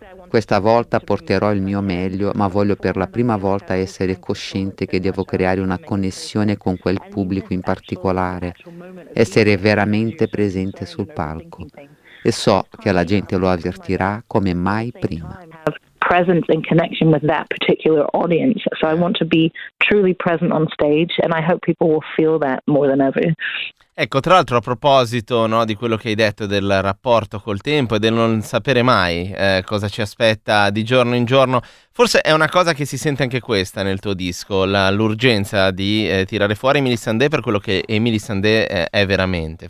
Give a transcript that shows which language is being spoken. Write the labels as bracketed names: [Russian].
[Italian] Questa volta porterò il mio meglio, ma voglio per la prima volta essere cosciente che devo creare una connessione con quel pubblico in particolare, essere veramente presente sul palco. E so che la gente lo avvertirà come mai prima. [English] Presence and connection with that particular audience. So I want to be truly present on stage and I hope people will feel that more than ever. [Italian] Ecco, tra l'altro a proposito, no, di quello che hai detto del rapporto col tempo e del non sapere mai cosa ci aspetta di giorno in giorno, forse è una cosa che si sente anche questa nel tuo disco, l'urgenza di tirare fuori Emily Sandé per quello che Emily Sandé è veramente.